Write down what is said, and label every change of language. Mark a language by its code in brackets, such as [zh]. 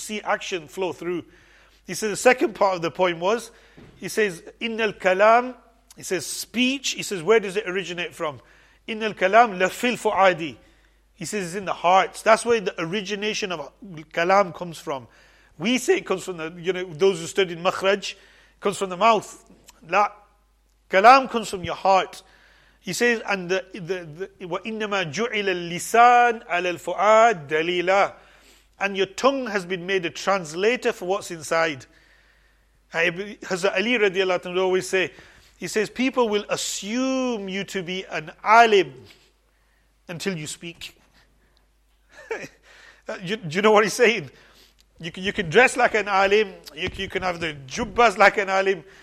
[en] You see action flow through. He says the second part of the poem was, he says, [ar] إِنَّ الْكَلَامِ, [en] he says, speech, he says, where does it originate from? [ar] إِنَّ الْكَلَامِ لَفِي الْفُعَادِ. [en] He says, it's in the hearts. That's where the origination of kalam comes from. We say it comes from those who studied makhraj, comes from the mouth. La, kalam comes from your heart. He says, and the [ar] وَإِنَّمَا جُعِلَ اللِّسَانِ عَلَى الْفُعَادِ دَلِيلًا. [en] And your tongue has been made a translator for what's inside. Hazrat Ali radiallahu anhu would always say, he says, people will assume you to be an alim until you speak. Do you know what he's saying? You can dress like an alim, you can have the jubbas like an alim.